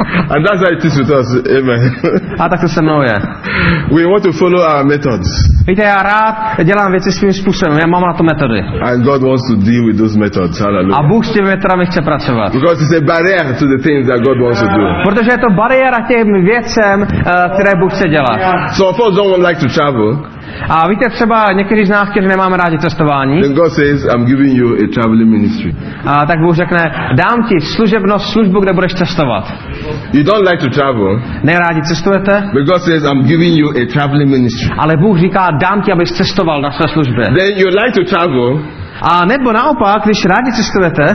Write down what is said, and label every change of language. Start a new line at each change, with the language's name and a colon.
English: And that's how it is with us. Amen.
Czech: A tak to se mnou je.
English: We want to follow our methods.
Czech: Víte, já rád dělám věci svým způsobem. Já mám na to metody.
English: And God wants to deal with those methods. Hallelujah.
Czech: A Bůh s těmi metodami chce pracovat.
English: Because it's a barrier to the things that God wants to do.
Czech: Protože je to bariéra těm věcem, které Bůh chce dělat.
English: So of course, don't like to travel.
Czech: A víte, třeba někteří z nás, kteří nemáme rádi cestování,
English: then God says, I'm giving you a traveling ministry.
Czech: A tak Bůh řekne, dám ti služebnost, službu, kde budeš cestovat.
English: You don't like to travel.
Czech: Nerádi cestujete.
English: But God says, I'm giving you a traveling ministry.
Czech: Ale Bůh říká, dám ti, abys cestoval na své službě.
English: Then you like to travel.
Czech: A nebo naopak, když rádi cestujete,